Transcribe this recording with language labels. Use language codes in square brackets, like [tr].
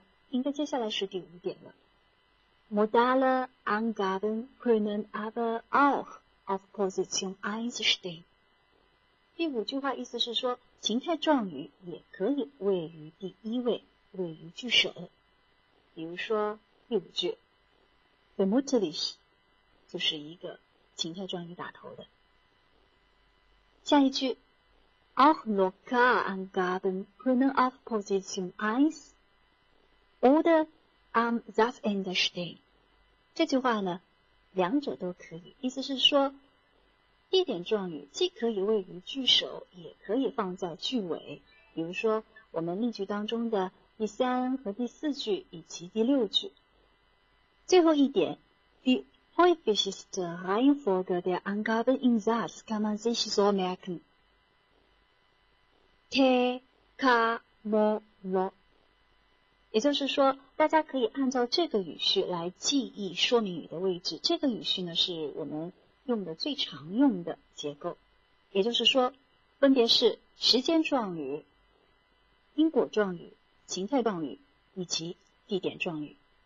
[zh] 应该接下来是第五点了。 [de] Modale Angaben können aber auch auf Position 1 stehen。 [zh] 第五句话意思是说，情态状语也可以位于第一位，位于句首。比如说第五句 Vermutlich 就是一个情态状语打头的。下一句 [de] Auch lokal Angaben können auf Position 1 oder am das Ende stehen。 [zh] 这句话呢，两者都可以，意思是说地点状语既可以位于句首，也可以放在句尾。比如说我们例句当中的第三和第四句以及第六句。最后一点 [de] Die häufigste Reihenfolge der Angaben in Satz kann man sich so merken Te, ka, mo, lo。 [zh] 也就是说，大家可以按照这个语序来记忆说明语的位置。这个语序呢，是我们用的最常用的结构。也就是说，分别是时间状语、因果状语、情态状语以及地点状语。